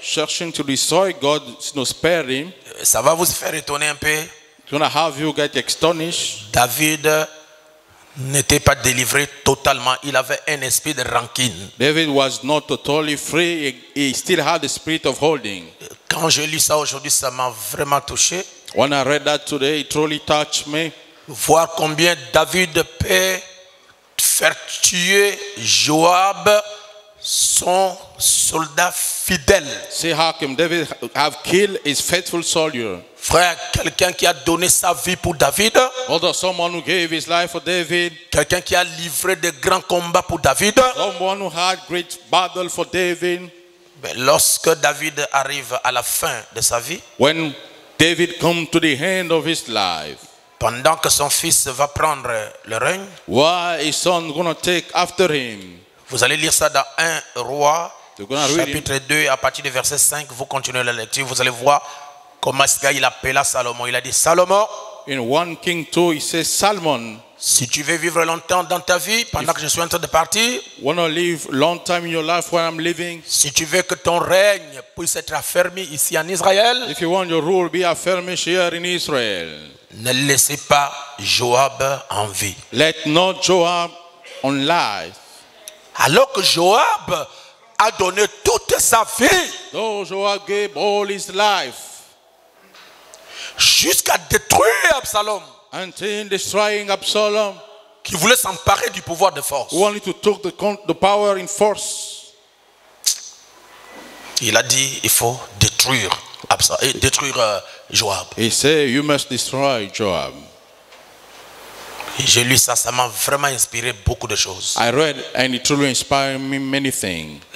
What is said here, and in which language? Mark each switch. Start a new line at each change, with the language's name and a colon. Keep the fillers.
English: Searching to God, him.
French: Ça va vous faire étonner un peu.
English: you astonished.
French: David n'était pas délivré totalement. Il avait un esprit de rancune.
English: David was not totally free. He still had the spirit of holding.
French: Quand je lis ça aujourd'hui, ça m'a vraiment touché.
English: When I read that today, it really touched me.
French: Voir combien David peut faire tuer Joab, son soldat fidèle.
English: See how can David have killed his faithful soldier.
French: Frère, quelqu'un qui a donné sa vie pour David.
English: someone who gave his life for David.
French: Quelqu'un qui a livré de grands combats pour David.
English: Someone who had great battle for David.
French: Mais lorsque David arrive à la fin de sa vie.
English: When David come to the end of his life.
French: Pendant que son fils va prendre le règne.
English: Why his son gonna take after him?
French: Vous allez lire ça dans 1 roi chapitre him. 2 à partir du verset 5 vous continuez la lecture vous allez voir comment il appela Salomon il a dit Salomon
English: in 1 king 2
French: il says Salomon si tu veux vivre longtemps dans ta vie, pendant if que je suis en train de partir,
English: live long time in your life I'm living,
French: si tu veux que ton règne puisse être affermi ici en Israël,
English: if you want your rule, be here in Israel.
French: ne laissez pas Joab en vie.
English: Let not Joab on life.
French: Alors que Joab a donné toute sa vie, jusqu'à détruire Absalom
English: until destroying Absalom,
French: qui voulait s'emparer du pouvoir de force.
English: Who wanted to took the, the power in force.
French: Il a dit, il faut détruire Absalom, et détruire Joab.
English: He said, you must destroy Joab.
French: Et je lu ça, ça m'a vraiment inspiré beaucoup de choses.
English: I read and it truly really inspired me many things.